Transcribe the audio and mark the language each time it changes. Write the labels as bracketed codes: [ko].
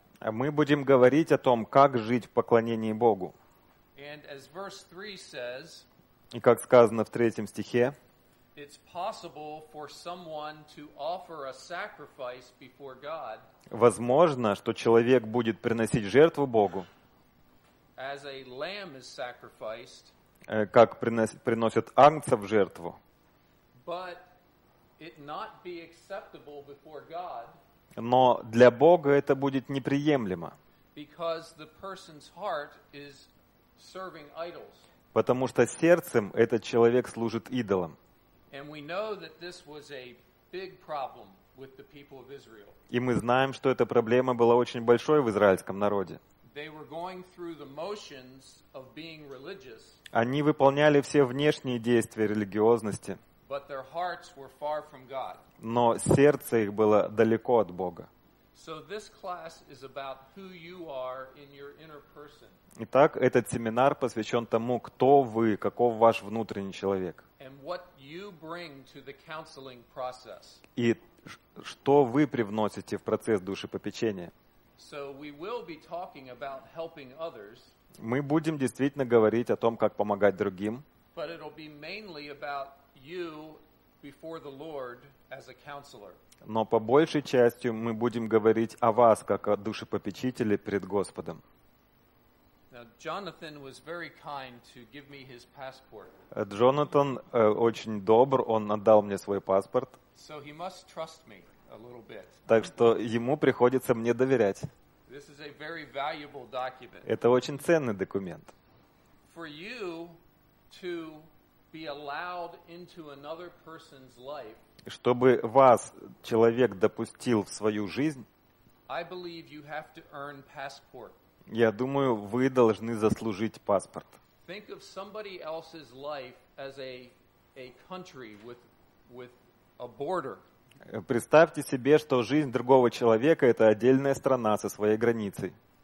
[ru] Мы будем говорить о том, как жить в поклонении Богу. [en] And as verse 3 says, [ru] и как сказано в третьем стихе, [en] it's possible for someone to offer a sacrifice before God. [ru] Возможно, что человек будет приносить жертву Богу. [en] As a lamb is sacrificed. [ru] Как приносят агнца в жертву. [en] But it not be acceptable before God. [ru] Но для Бога это будет неприемлемо. [en] Because the person's heart is serving idols. [ru] Потому что сердцем этот человек служит идолам. [en] And we know that this was a big problem with the people of Israel. [ru] И мы знаем, что эта проблема была очень большой в израильском народе. [en] They were going through the motions of being religious. [ru] Они выполняли все внешние действия религиозности. [en] But their hearts were far from God. [ru] Но сердце их было далеко от Бога. [en] So this class is about who you are in your inner person. [ru] Итак, этот семинар посвящен тому, кто вы, каков ваш внутренний человек. [en] And what you bring to the counseling process. [ru] И что вы привносите в процесс душепопечения. [en] So we will be talking about helping others. [ru] Мы будем действительно говорить о том, как помогать другим. [en] But it'll be mainly about you before the Lord as a counselor. [ru] Но по большей части мы будем говорить о вас как о душепопечителе перед Господом. [en] Now, Jonathan was very kind to give me his passport. [ru] Джонатан очень добр, он отдал мне свой паспорт. [en] So he must trust me a little bit. [ru] Так что ему приходится мне доверять. [en] This is a very valuable document. [ru] Это очень ценный документ. [en] For you to be allowed into another person's life. [ru] Чтобы вас человек допустил в свою жизнь. [en] I believe you have to earn passport. [ru] Я думаю, вы должны заслужить паспорт. [en] Think of somebody else's life as a country with a border. [ru] Представьте себе, что жизнь другого человека – это отдельная страна со своей границей.